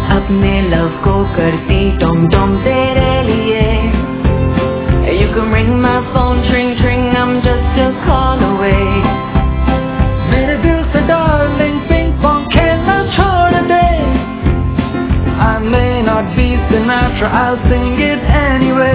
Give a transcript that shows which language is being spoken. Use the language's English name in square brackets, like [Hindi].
[Hindi] अपने लव को करती टॉम टॉम तेरे लिए. [English] You can ring my phone, tring tring, I'm just a call away. [Hindi] मेरे दिल से darling ping pong खेलना छोड़ दे. [English] I may not be Sinatra, I'll sing it anyway.